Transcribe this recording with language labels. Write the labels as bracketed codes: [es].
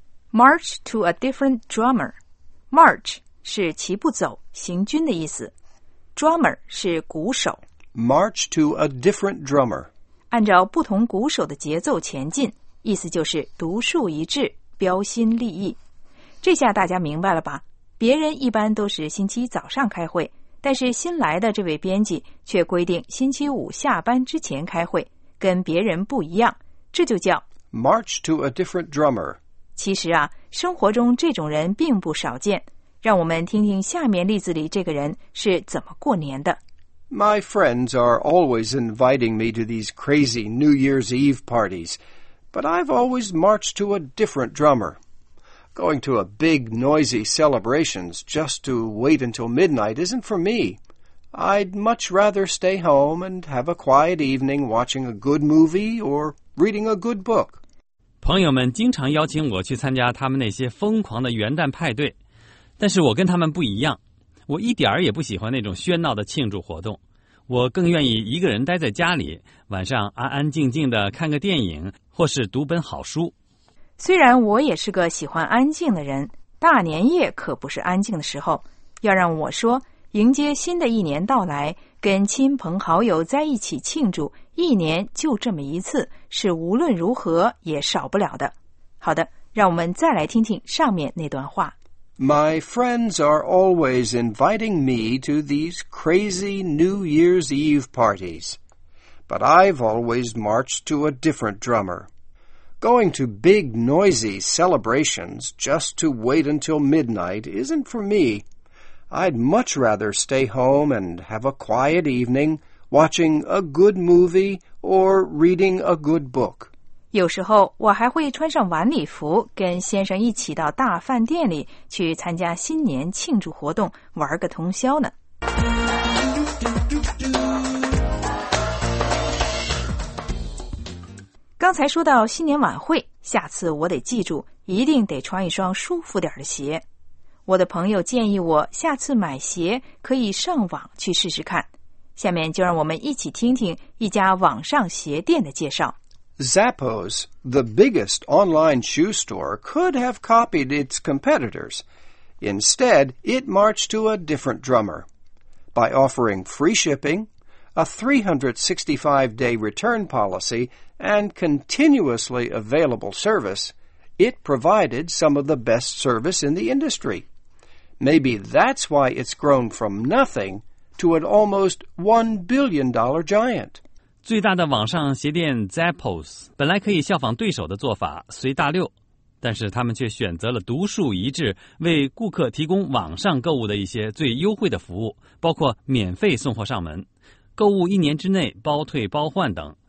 [en] March to a different drummer [zh] March 是齐步走行军的意思 Drummer 是鼓手 [en] March to a different drummer [zh] 按照不同鼓手的节奏前进，意思就是独树一帜，标新立异。这下大家明白了吧？别人一般都是星期早上开会，但是新来的这位编辑却规定星期五下班之前开会，跟别人不一样，这就叫 [en] March to a different drummer。 [zh] 其实啊，生活中这种人并不少见，让我们听听下面例子里这个人是怎么过年的。 [en] My friends are always inviting me to these crazy New Year's Eve parties, but I've always marched to a different drummer. Going to a big, noisy celebrations just to wait until midnight isn't for me. I'd much rather stay home and have a quiet evening watching a good movie or reading a good book. [zh] 朋友们经常邀请我去参加他们那些疯狂的元旦派对，但是我跟他们不一样，我一点儿也不喜欢那种喧闹的庆祝活动。我更愿意一个人待在家里，晚上安安静静地看个电影或是读本好书。虽然我也是个喜欢安静的人，大年夜可不是安静的时候。要让我说，迎接新的一年到来，跟亲朋好友在一起庆祝，一年就这么一次，是无论如何也少不了的。好的，让我们再来听听上面那段话。 [en] My friends are always inviting me to these crazy New Year's Eve parties, but I've always marched to a different drummer. Going to big, noisy celebrations just to wait until midnight isn't for me. I'd much rather stay home and have a quiet evening, watching a good movie or reading a good book. [zh] 有时候我还会穿上晚礼服跟先生一起到大饭店里去参加新年庆祝活动玩个通宵呢。刚才说到新年晚会，下次我得记住一定得穿一双舒服点的鞋。我的朋友建议我下次买鞋可以上网去试试看。下面就让我们一起听听一家网上鞋店的介绍。 [en] Zappos, the biggest online shoe store, could have copied its competitors. Instead, it marched to a different drummer. By offering free shipping, a 365-day return policy, and continuously available service, it provided some of the best service in the industry. Maybe that's why it's grown from nothing to an almost $1 billion giant. [zh] 最大的网上鞋店 Zappos 本来可以效仿对手的做法随大溜，但是他们却选择了独树一帜，为顾客提供网上购物的一些最优惠的服务，包括免费送货上门、购物一年之内包退包换等。